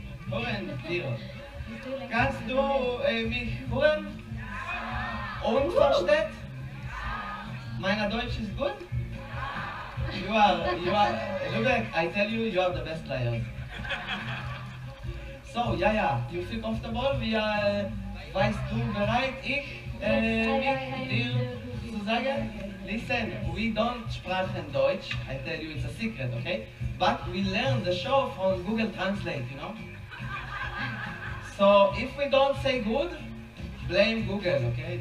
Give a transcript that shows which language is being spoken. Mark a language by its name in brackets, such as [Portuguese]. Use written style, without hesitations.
[German] Hören wir. Kannst du mich hören? Und versteht? Meine Deutsch ist gut? [English] You are, Lubeck, I tell you, you are the best liar. So, Jaja, you feel comfortable? We are, [German] weißt du bereit, ich, mich, dir zu sagen? [English] Listen, we don't [German] sprechen Deutsch. [English] I tell you, it's a secret, okay? But we learn the show from Google Translate, you know? So, if we don't say good, blame Google, okay?